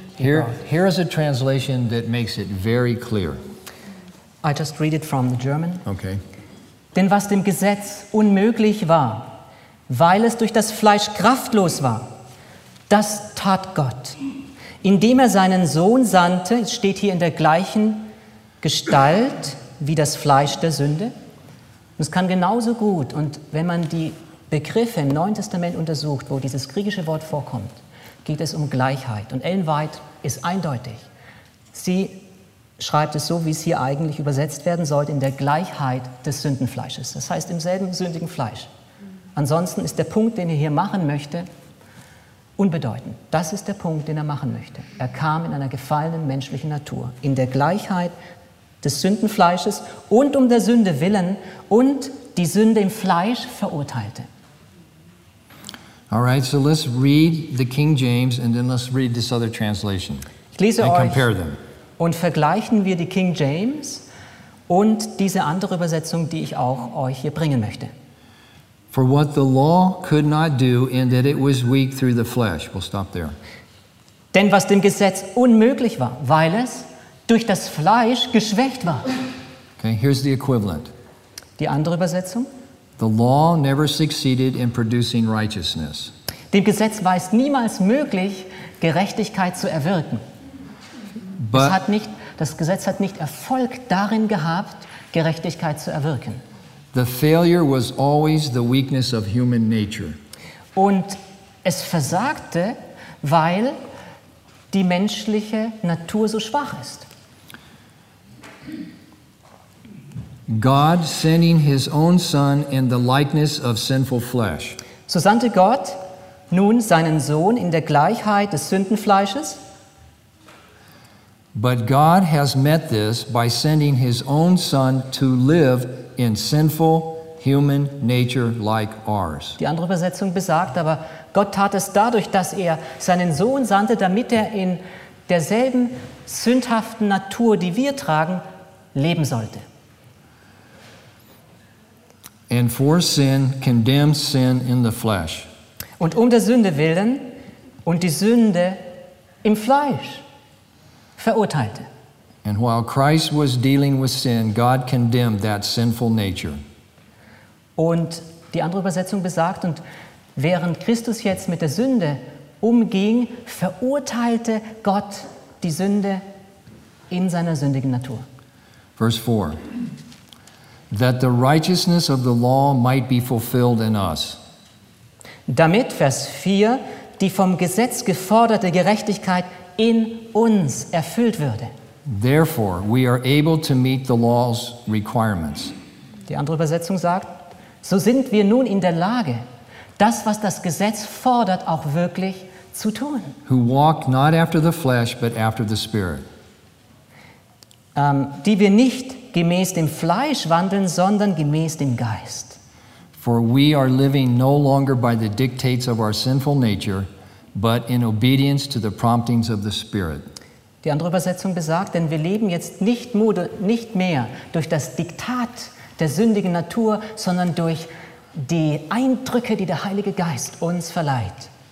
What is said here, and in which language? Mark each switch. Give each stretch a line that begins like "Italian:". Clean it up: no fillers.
English: Here is a translation that makes it very clear. I just read it from the German. Okay.
German: Denn was dem Gesetz unmöglich war, weil es durch das Fleisch kraftlos war, das tat Gott, indem er seinen Sohn sandte, steht hier in der gleichen Gestalt wie das Fleisch der Sünde. Und es kann genauso gut, und wenn man die Begriffe im Neuen Testament untersucht, wo dieses griechische Wort vorkommt, geht es um Gleichheit. Und Ellen White ist eindeutig. Sie schreibt es so, wie es hier eigentlich übersetzt werden sollte, in der Gleichheit des Sündenfleisches. Das heißt, im selben sündigen Fleisch. Ansonsten ist der Punkt, den er hier machen möchte, unbedeutend. Das ist der Punkt, den er machen möchte. Er kam in einer gefallenen menschlichen Natur, in der Gleichheit des Sündenfleisches und um der Sünde willen und die Sünde im Fleisch verurteilte.
English: All right, so let's read the King James and then let's read this other translation.
German: Ich lese
English: and compare them.
German: Und vergleichen wir die King James und diese andere Übersetzung, die ich auch euch hier bringen möchte.
English: For what the law could not do in that it was weak through the flesh. We'll stop there.
German: Denn was dem Gesetz unmöglich war, weil es durch das Fleisch geschwächt war.
English: Okay, here's the equivalent.
German: Die andere Übersetzung.
English: The law never succeeded in producing righteousness.
German: Dem Gesetz war es niemals möglich, Gerechtigkeit zu erwirken.
English: But,
German: das Gesetz hat nicht Erfolg darin gehabt, Gerechtigkeit zu erwirken.
English: The failure was always the weakness of human nature.
German: Und es versagte, weil die menschliche Natur so schwach ist.
English: God sending his own son in the likeness of sinful flesh.
German: So sandte Gott nun seinen Sohn in der Gleichheit des Sündenfleisches.
English: But God has met this by sending his own son to live in sinful human nature like ours.
German: Die andere Übersetzung besagt, aber Gott tat es dadurch, dass er seinen Sohn sandte, damit er in derselben sündhaften Natur, die wir tragen, leben sollte.
English: And for sin condemned sin in the flesh.
German: Und um der Sünde willen und die Sünde im Fleisch. Verurteilte.
English: And while Christ was dealing with sin, God condemned that sinful nature.
German: Und die andere Übersetzung besagt, und Während Christus jetzt mit der Sünde umging, verurteilte Gott die Sünde in seiner sündigen Natur. Vers 4.
English: That the righteousness of the law might be fulfilled in us.
German: Damit, Vers 4, die vom Gesetz geforderte Gerechtigkeit in uns erfüllt würde.
English: Therefore, we are able to meet the law's requirements.
German: Die andere Übersetzung sagt, so sind wir nun in der Lage, das, was das Gesetz fordert, auch wirklich zu tun.
English: Who walk not after the flesh, but after the Spirit.
German: Die wir nicht gemäß dem Fleisch wandeln, sondern gemäß dem Geist.
English: For we are living no longer by the dictates of our sinful nature, but in obedience to the promptings of the Spirit.
German: Die andere Übersetzung besagt, denn wir leben jetzt nicht mehr durch das Diktat der sündigen Natur, sondern durch die Eindrücke, die der Heilige Geist uns verleiht.